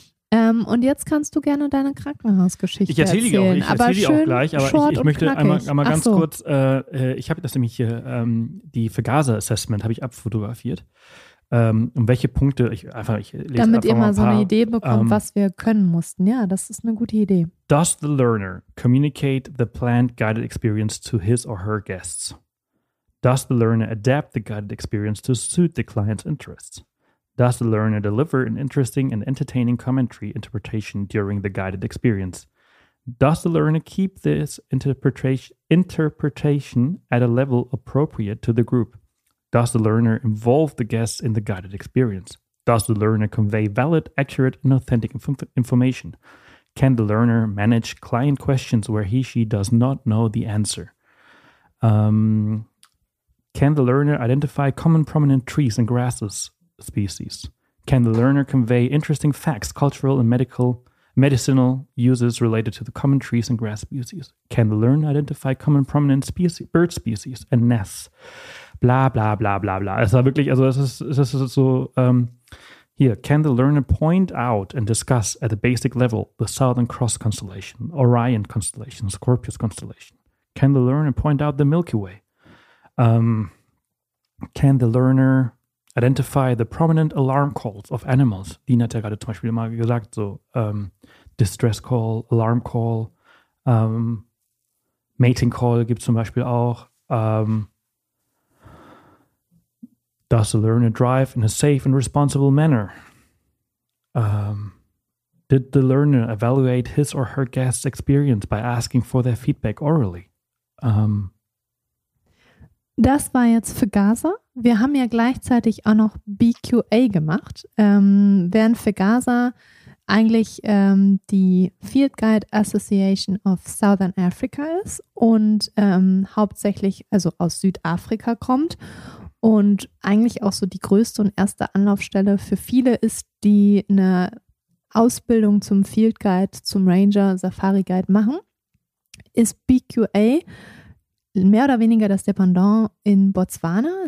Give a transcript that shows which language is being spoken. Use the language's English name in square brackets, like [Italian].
[German] Und jetzt kannst du gerne deine Krankenhausgeschichte erzählen. Ich erzähle auch gleich, aber ich möchte einmal ganz kurz, ich habe das nämlich hier, die Vergaser-Assessment habe ich abfotografiert. Um welche Punkte, ich lese einfach mal. Damit ihr mal so paar, eine Idee bekommt, was wir können mussten. Ja, das ist eine gute Idee. [English] Does the learner communicate the planned guided experience to his or her guests? Does the learner adapt the guided experience to suit the client's interests? Does the learner deliver an interesting and entertaining commentary interpretation during the guided experience? Does the learner keep this interpretation at a level appropriate to the group? Does the learner involve the guests in the guided experience? Does the learner convey valid, accurate, and authentic information? Can the learner manage client questions where he/she does not know the answer? Can the learner identify common prominent trees and grasses? Species. Can the learner convey interesting facts, cultural and medicinal uses related to the common trees and grass species? Can the learner identify common prominent bird species and nests? Bla bla bla bla bla. [German] Es war wirklich, also es ist so hier. [English] Can the learner point out and discuss at the basic level the Southern Cross constellation, Orion constellation, Scorpius constellation? Can the learner point out the Milky Way? Can the learner identify the prominent alarm calls of animals. [German] Dina hat ja gerade zum Beispiel mal gesagt, so Distress Call, Alarm Call, Mating Call gibt es zum Beispiel auch. [English] Does the learner drive in a safe and responsible manner? Did the learner evaluate his or her guest's experience by asking for their feedback orally? [German] Das war jetzt Vergaser. Wir haben ja gleichzeitig auch noch BQA gemacht. Während Vergaser eigentlich die Field Guide Association of Southern Africa ist und hauptsächlich also aus Südafrika kommt und eigentlich auch so die größte und erste Anlaufstelle für viele ist, die eine Ausbildung zum Field Guide, zum Ranger, Safari Guide machen, ist BQA mehr oder weniger das Dependant in Botswana.